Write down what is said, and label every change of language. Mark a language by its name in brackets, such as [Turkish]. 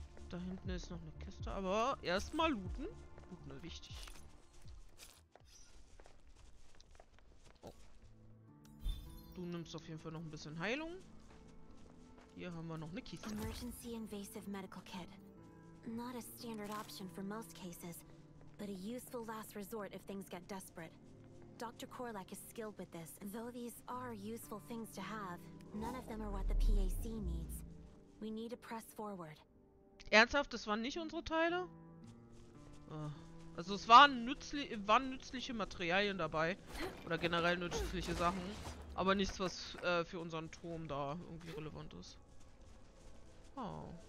[German] Da hinten ist noch eine Kiste, aber erstmal looten. Looten ist wichtig. Oh. Du nimmst auf jeden Fall noch ein bisschen Heilung. Hier haben wir noch eine Kiste. [English] Emergency invasive medical kit. Not a standard option for most cases, but a useful last resort if things get desperate. Dr. Korlak is skilled with this. Though these are useful things to have, none of them are what the PAC needs. We need to press forward. [German] Ernsthaft, das waren nicht unsere Teile? Also es waren nützliche Materialien dabei. Oder generell nützliche Sachen. Aber nichts, was für unseren Turm da irgendwie relevant ist. Oh.